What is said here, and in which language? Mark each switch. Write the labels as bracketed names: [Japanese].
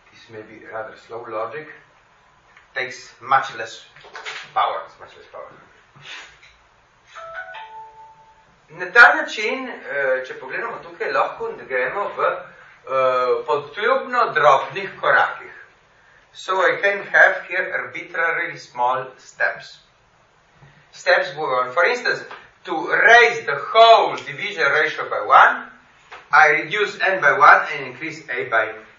[English] Maybe rather slow logic takes much less power. [Slovenian] Na ta način, če pogledamo tukaj, lahko gremo v podtrubno drobnih korakih. [English] So I can have here arbitrarily small steps. steps were on. For instance, to raise the whole division ratio by 1, I reduce n by 1 and increase a by 1.